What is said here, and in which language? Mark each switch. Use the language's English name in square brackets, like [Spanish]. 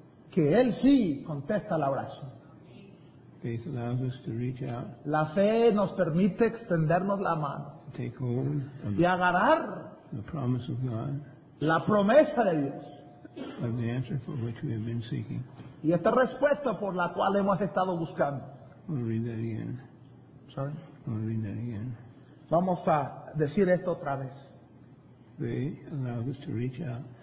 [Spanish] Que Él sí contesta la oración. [English] Faith allows us to reach out. [Spanish] La fe nos permite extendernos la mano. [English] Take hold of [Spanish] y agarrar [English] the promise of God. [Spanish] La promesa de Dios. [English] Of the answer for which we have been seeking. [Spanish] Y esta respuesta por la cual hemos estado buscando. [English] I'll read that again. Sorry? I'll read that again. [Spanish] Vamos a decir esto otra vez. [English] Faith allows us to reach out.